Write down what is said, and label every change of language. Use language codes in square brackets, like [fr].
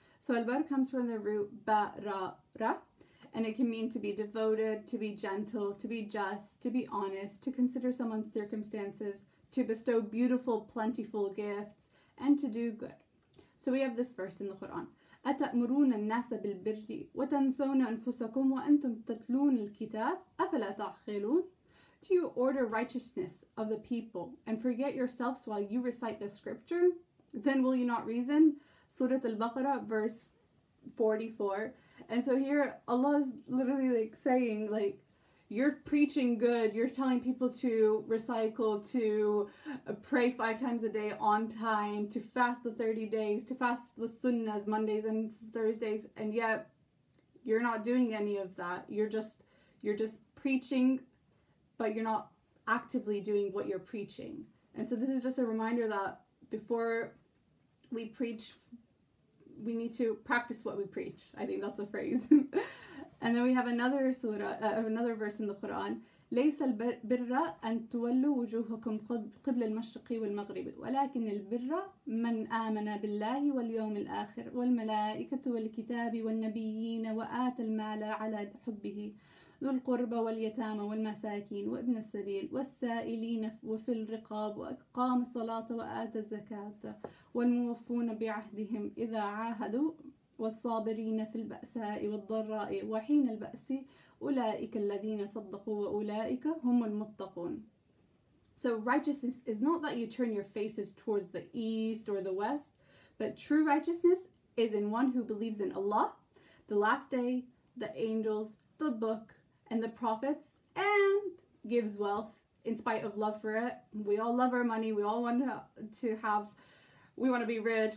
[en] So Al-Bar comes from the root ba-ra-ra, and it can mean to be devoted, to be gentle, to be just, to be honest, to consider someone's circumstances, to bestow beautiful, plentiful gifts, and to do good. So we have this verse in the Quran. [ar] أتأمرون الناس بالبر وتنسون أنفسكم وأنتم تتلون الكتاب أفلا تعقلون. [en] Do you order righteousness of the people and forget yourselves while you recite the scripture? Then will you not reason? Surah Al-Baqarah, verse 44. And so here Allah is literally like saying, like, you're preaching good, you're telling people to recycle, to pray 5 times a day on time, to fast the 30 days, to fast the sunnahs, Mondays and Thursdays, and yet you're not doing any of that. You're just preaching, but you're not actively doing what you're preaching. And so this is just a reminder that before we preach, we need to practice what we preach. I think that's a phrase. And then we have another another verse in the Quran. [ar] لَيْسَ الْبِرَّ أَن تُوَلُّوا وُجُوهُكُمْ قِبْلَ الْمَشْرِقِ وَالْمَغْرِبِ وَلَكِنِ الْبِرَّ مَنْ آمَنَ بِاللَّهِ وَالْيَوْمِ الْآخِرِ وَالْمَلَائِكَةُ وَالْكِتَابِ وَالنَّبِيِّينَ وَآتَ الْمَالَ عَلَى حُبِّهِ ذو القربى واليتامى والمساكين وابن السبيل والسائلين وفي الرقاب وأقام الصلاة وآتى الزكاة والموفون بعهدهم إذا عاهدوا والصابرين في البأساء والضراء وحين البأس أولئك الذين صدقوا وأولئك هم المتقون. [en] So righteousness is not that you turn your faces towards the east or the west, but true righteousness is in one who believes in Allah, the last day, the angels, the book, and the prophets, and gives wealth, in spite of love for it. We all love our money. We all want to have, we want to be rich.